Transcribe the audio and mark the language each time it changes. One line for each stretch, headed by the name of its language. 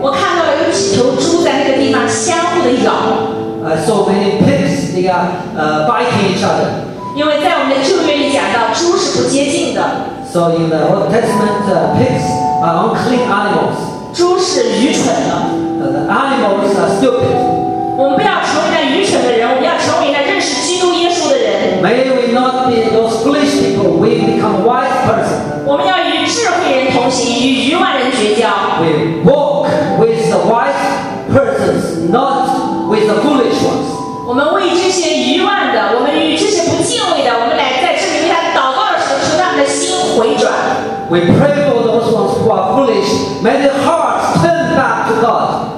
Chinese: 我看到有几头猪在那个地方相互的咬。
English: So many pigs, they are biting each other.
Chinese: 因为在我们的旧约里讲到猪是不洁净的。
English: So in the Old Testament, pigs are unclean animals.
Chinese: 猪是愚蠢的。
English: The animals are stupid.
Chinese: 我们不要成为那愚蠢的人，我们要成为那认识基督耶稣的人。
English: May we not be those foolish people? We become wise person.
Chinese: 我们要与智慧人同行，与愚妄人绝交。
English: We walk with the wise persons, not with the foolish ones.
Chinese: 我们为这些愚妄的，我们与这些不敬畏的，我们来在这里为他祷告的时候，求他们的心回转。
English: We pray for those ones who are foolish. May their hearts turn back to God.